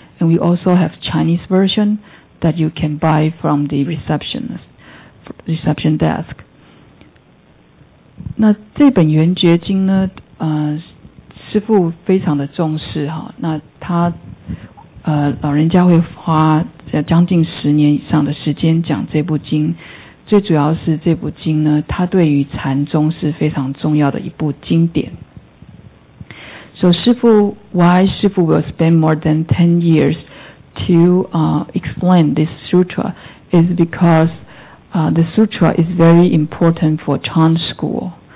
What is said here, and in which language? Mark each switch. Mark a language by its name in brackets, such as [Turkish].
[English] And we also have Chinese version that you can buy from the reception desk. [Chinese] 那这本圆觉经呢师父非常的重视，那他老人家会花将近十年以上的时间讲这部经，最主要是这部经呢，它对于禅宗是非常重要的一部经典。 [English] So, why师父 will spend more than 10 years to explain this sutra is because the sutra is very important for Chan school.